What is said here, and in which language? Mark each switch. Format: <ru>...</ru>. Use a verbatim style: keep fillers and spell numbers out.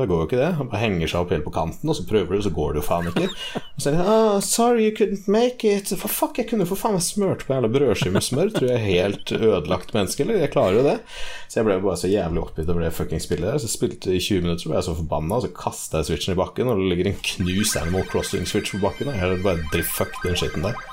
<no>Det går jo ikke det, han bare henger seg opp helt på kanten. Og så prøver du, så går det jo faen ikke. Og så er det</no> <en>oh, sorry you couldn't make it.</en> <no>For fuck, jeg kunne for faen meg smørt på en jævla brødskive med smør. Tror jeg er helt ødelagt menneske, eller? Jeg klarer jo det. Så jeg ble bare så jævlig oppgitt og ble fucking spillet der. Så jeg spilte i tjue minutter, så ble jeg så forbanna, og så kastet jeg switchen i bakken. Og det ligger en knus Animal Crossing switch på bakken, og jeg hadde bare dritt fuck den skitten der.</no>